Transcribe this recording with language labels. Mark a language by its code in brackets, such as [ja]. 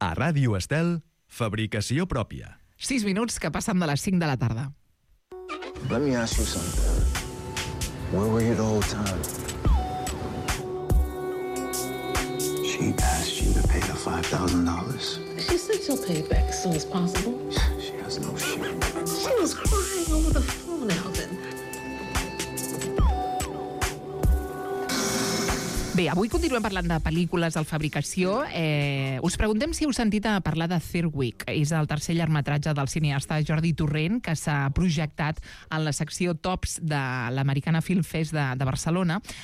[ca] A Ràdio Estel, fabricació pròpia. 6 minuts que passen de les 5 de la tarda. [en] Let me ask you something. Where were you the whole time? She asked you to pay the $5,000. She said she'll pay it back as soon as possible. She has no shame. She was crying over the phone, Alvin. [ca] Bé, avui continuem parlant de pel·lícules, de fabricació. Us preguntem si heu sentit a parlar de Third Week. És el tercer llargmetratge del cineasta Jordi Torrent que s'ha projectat en la secció Tops de l'Americana Film Fest de Barcelona.